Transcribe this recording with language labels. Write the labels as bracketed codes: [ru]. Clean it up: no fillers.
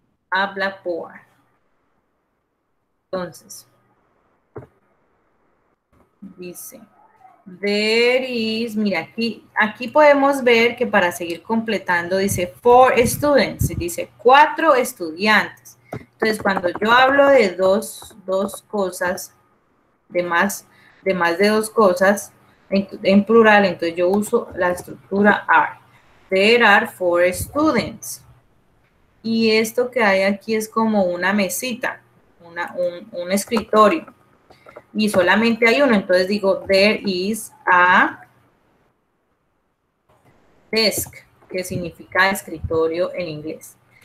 [en] A blackboard. [es] Entonces, dice, [en] there is, [es] mira, aquí podemos ver que para seguir completando dice [en] four students, [es] dice cuatro estudiantes. Entonces, cuando yo hablo de dos cosas, de más de dos cosas, en plural, entonces yo uso la estructura are. [en] There are four students. [es] Y esto que hay aquí es como una mesita, un escritorio. Y solamente hay uno, entonces digo, [en] there is a desk, [es] que significa escritorio en inglés.